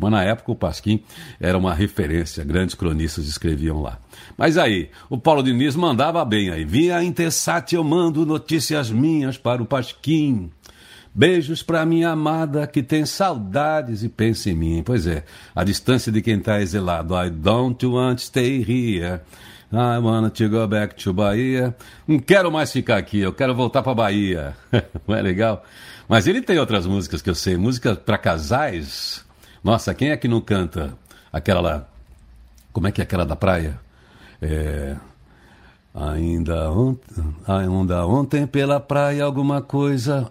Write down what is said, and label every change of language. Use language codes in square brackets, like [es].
[pt] Mas na época o Pasquim era uma referência, grandes cronistas escreviam lá. Mas aí, o Paulo Diniz mandava bem aí. Via Intelsat, eu mando notícias minhas para o Pasquim. Beijos para minha amada que tem saudades e pensa em mim. Pois é, a distância de quem está exilado. [en] I don't want to stay here. I want to go back to Bahia. [pt] Não quero mais ficar aqui, eu quero voltar para Bahia. Não é legal? Mas ele tem outras músicas que eu sei, músicas para casais. Nossa, quem é que não canta aquela lá? Como é que é aquela da praia? Ainda ontem pela praia alguma coisa.